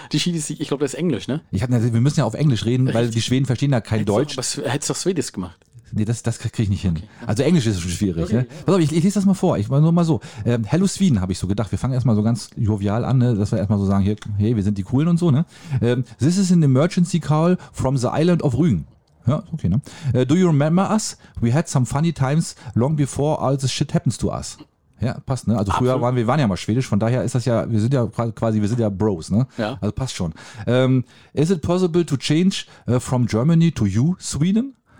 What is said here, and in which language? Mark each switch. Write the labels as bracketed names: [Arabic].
[German] Ich glaube, das ist Englisch, ne? Wir müssen ja auf Englisch reden, richtig, weil die Schweden verstehen da kein Deutsch. Hättest du doch Schwedisch gemacht. Nee, das kriege ich nicht hin. Okay. Also Englisch ist schon schwierig. Okay, ne? Ja. Pass auf, ich lese das mal vor. Ich war nur mal so. [English] Hello Sweden, [German] habe ich so gedacht. Wir fangen erstmal so ganz jovial an, ne? Dass wir erstmal so sagen, hey, wir sind die Coolen und so. Ne? [English] This is an emergency call from the island of Rügen. [German] Ja, okay. Ne? [English] Do you remember us? We had some funny times long before all this shit happens to us. [German] Ja, passt, ne? Also absolut. Früher waren wir ja mal Schwedisch, von daher ist das ja, wir sind ja Bros, ne? Ja. Also passt schon. [English] Is it possible to change from Germany to you, Sweden?